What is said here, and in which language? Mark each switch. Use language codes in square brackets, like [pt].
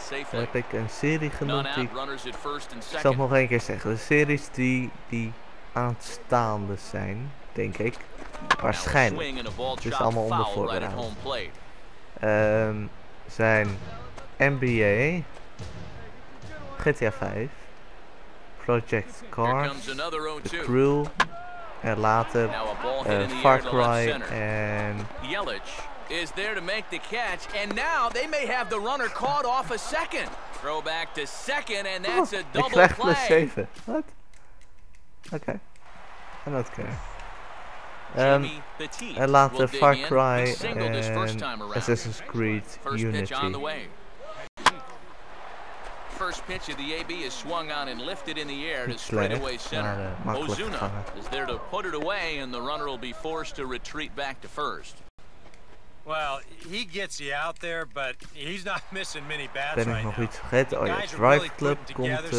[nl] Dan heb ik een serie genoemd die. Ik zal het nog één keer zeggen. De series die aanstaande zijn, denk ik. Waarschijnlijk. Het is allemaal onder voorbereiding. Zijn NBA, GTA 5, Project Cars, The Crew en later Far Cry en [en] Yelich is there to make the catch and now they may have the runner caught off a second. Throw back to second and that's a double play. [nl] Ik krijg plus 7. Wat? Oké. En dat kan. En later Far Cry en Assassin's Creed Unity. [en] First pitch of the AB is swung on and lifted in the air to straightaway center. Ozuna is there to put it away and the runner will be forced to retreat back to first. Well, he gets you out there, but he's not missing many bats right now. [nl] Ben ik nog iets vergeten? Oh ja, Drive Club komt.